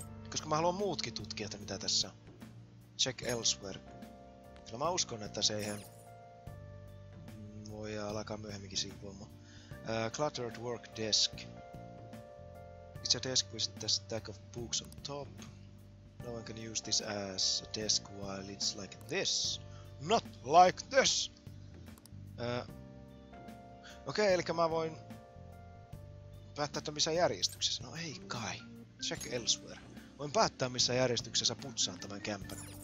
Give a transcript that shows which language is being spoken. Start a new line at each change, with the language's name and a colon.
Finnish: Koska mä haluan muutkin tutkia, että mitä tässä...
English: Check elsewhere.
Finnish: Kyllä mä uskon, että se eihän... Voi alkaa myöhemminkin siivoamaan.
English: Cluttered work desk. It's a desk with a stack of books on top. No one can use this as a desk while it's like this. Not like this!
Finnish: Okei, elikkä mä voin päättää, että missä järjestyksessä. No ei kai.
English: Check elsewhere.
Finnish: Voin päättää, missä järjestyksessä putsaan tämän kämpän.